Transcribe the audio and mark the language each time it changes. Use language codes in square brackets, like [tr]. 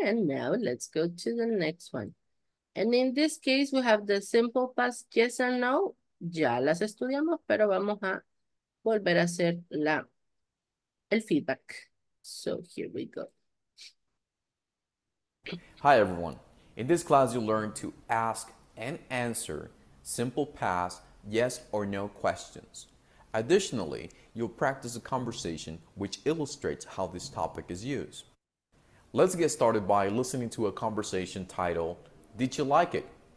[en] And now let's go to the next one. And in this case, we have the simple past, yes and no. [es] Ya las estudiamos, pero vamos a volver a hacer el feedback. [en] So here we go. Hi, everyone. In this class, you learn to ask and answer simple past yes or no questions. Additionally, you'll practice a conversation which illustrates how this topic is used. Let's get started by listening to a conversation titled, Did You Like It?